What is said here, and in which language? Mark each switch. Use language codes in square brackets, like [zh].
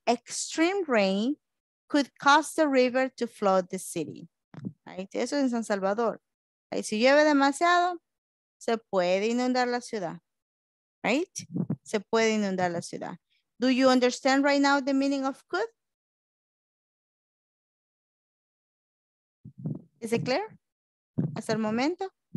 [en] Extreme rain could cause the river to flood the city. [es] Right? Eso es en San Salvador. Right? Si llueve demasiado, se puede inundar la ciudad. Right? Se puede inundar la ciudad. [en] Do you understand right now the meaning of could? Is it clear? [es] Hasta el momento.